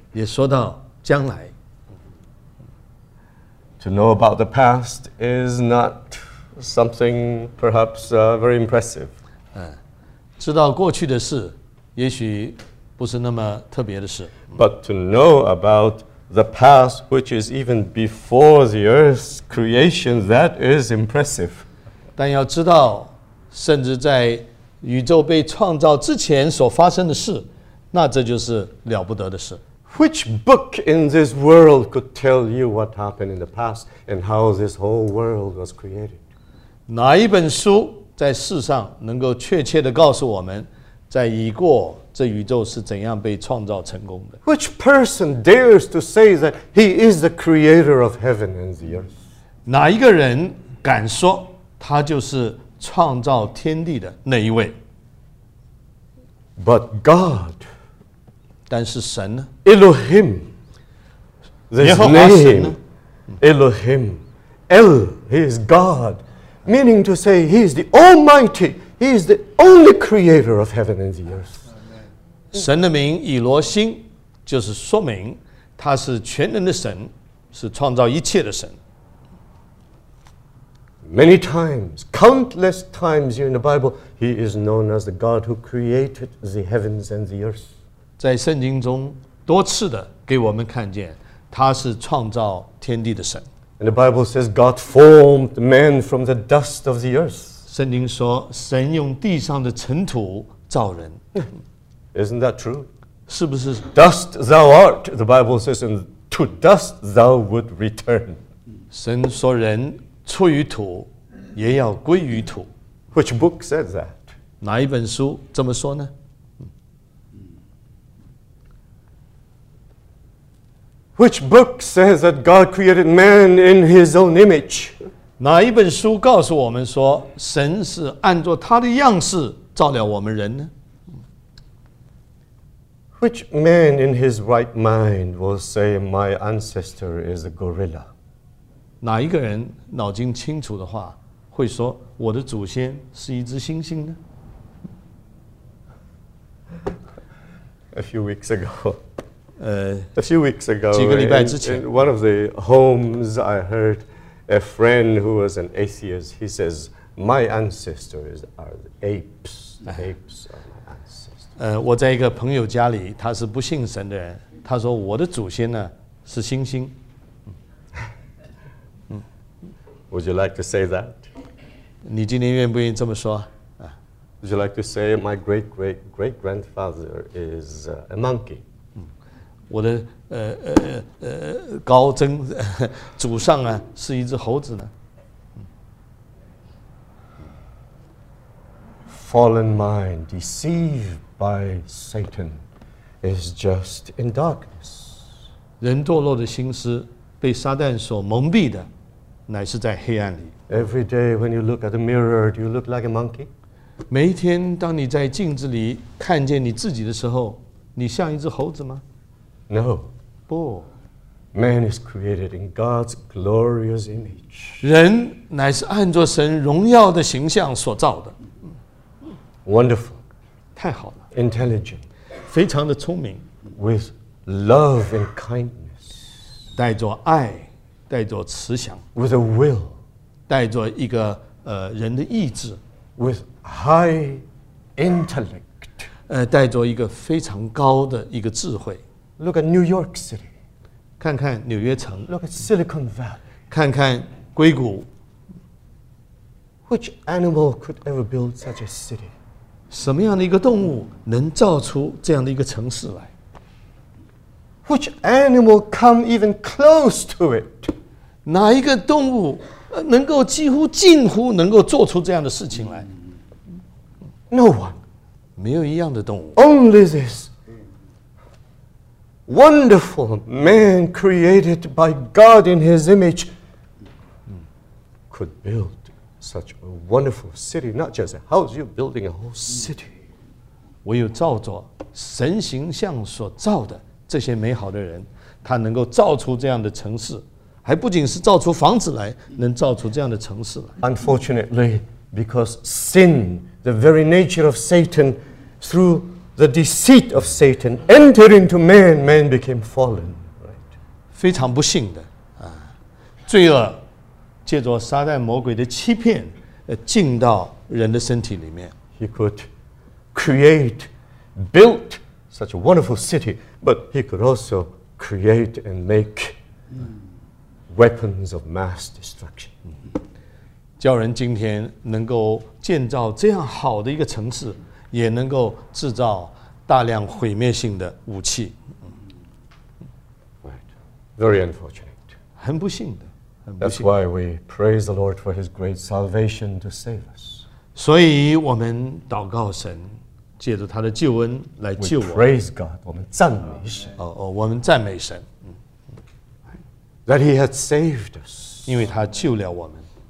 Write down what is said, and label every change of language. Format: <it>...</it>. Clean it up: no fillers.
<zh>也说到将来。</zh> <en>To know about the past is not something perhaps very impressive.</en> <zh>知道过去的事也许不是那么特别的事。</zh> <en>But to know about the past, which is even before the earth's creation, that is impressive.</en> <zh>但要知道甚至在宇宙被创造之前所发生的事，那这就是了不得的事。</zh> <en>Which book in this world could tell you what happened in the past and how this whole world was created?</en> <zh>哪一本书在世上能够确切地告诉我们，在已过这宇宙是怎样被创造成功的？</zh> <en>Which person dares to say that he is the creator of heaven and the earth?</en> <zh>哪一个人敢说他就是创造天地的那一位？</zh> <en>But God,</en> <zh>但是神呢？</zh> <en>Elohim, this name, Elohim, El, he is God. Meaning to say, He is the Almighty. He is the only creator of heaven and the earth.</en> <zh>神的名以罗星，就是说明他是全能的神，是创造一切的神。</zh> <en>Many times, countless times here in the Bible, He is known as the God who created the heavens and the earth.</en> <zh>在圣经中多次的给我们看见，他是创造天地的神。</zh> <en>And the Bible says God formed man from the dust of the earth.</en> <zh>圣经说神用地上的尘土造人。</zh> <en>Isn't that true?</en> <zh>是不是？</zh> <en>Dust thou art, the Bible says, and to dust thou would return.</en> <zh>神说人出于土，也要归于土。</zh> <en>Which book says that?</en> <zh>哪一本书这么说呢？</zh> <en>Which book says that God created man in his own image?</en> <zh>哪一本书告诉我们说神是按照他的样式造了我们人呢？</zh> <en>Which man in his right mind will say my ancestor is a gorilla?</en> <zh>哪一个人脑筋清楚的话会说我的祖先是一只猩猩呢？</zh> <en>A few weeks ago,</en> <zh>几个礼拜之前,</zh> <en>in one of the homes, I heard a friend who was an atheist, he says, my ancestors are apes, apes are my ancestors.</en> <zh>我在一个朋友家里，他是不信神的人，他说我的祖先呢，是猩猩。</zh> <en>Would you like to say that?</en> <zh>你今天愿不愿意这么说？</zh> <en>Would you like to say my great-great-great-grandfather is a monkey?</en> <zh>我的高曾祖上啊是一只猴子呢。</zh> <en>Fallen mind deceived by Satan is just in darkness.</en> <zh>人堕落的心思被撒旦所蒙蔽的乃是在黑暗里。</zh> <en>Every day when you look at the mirror, do you look like a monkey?</en> <zh>每一天当你在镜子里看见你自己的时候你像一只猴子吗？</zh> <en>No.</en> <zh>不。</zh> <en>Man is created in God's glorious image.</en> <zh>人乃是按着神荣耀的形象所造的。</zh> <en>Wonderful.</en> <zh>太好了。</zh> <en>Intelligent.</en> <zh>非常的聪明。</zh> <en>With love and kindness.</en> <zh>带着爱，带着慈祥。</zh> <en>With a will.</en> <zh>带着一个人的意志。</zh> <en>With high intellect.</en> <zh>带着一个非常高的一个智慧。</zh> <en>Look at New York City.</en> <zh>看看纽约城。</zh> <en>Look at Silicon Valley.</en> <zh>看看硅谷。</zh> <en>Which animal could ever build such a city?</en> <zh>什么样的一个动物能造出这样的一个城市来？</zh> <en>Which animal come even close to it?</en> <zh>哪一个动物能够几乎近乎能够做出这样的事情来？</zh> <en>No one.</en> <zh>没有一样的动物。</zh> <en>Only this. Wonderful man created by God in his image could build such a wonderful city, not just a house, you're building a whole city.</en> <zh>唯有造作神形象所造的这些美好的人，他能够造出这样的城市，还不仅是造出房子来，能造出这样的城市来。</zh> <en>Unfortunately, because sin, the very nature of Satan, throughThe deceit of Satan entered into man, man became fallen. Right.</en> <zh>非常不幸的、啊、罪恶借着撒旦魔鬼的欺骗进到人的身体里面。</zh> <en>He could create, built such a wonderful city, but he could also create and make weapons of mass destruction.</en> <zh>叫人今天能够建造这样好的一个城市，也能够制造大量毁灭性的武器。</zh> <en>Right. Very unfortunate.</en> <zh>很不幸的。</zh> <en>That's why we praise the Lord for his great salvation to save us.</en> <zh>所以我们祷告神，借着他的救恩来救我们。</zh> <en>We praise God.</en> <zh>我们赞美神。我们赞美神。</zh> <en>That he had saved us.</en> <zh>因为他救了我们。</zh>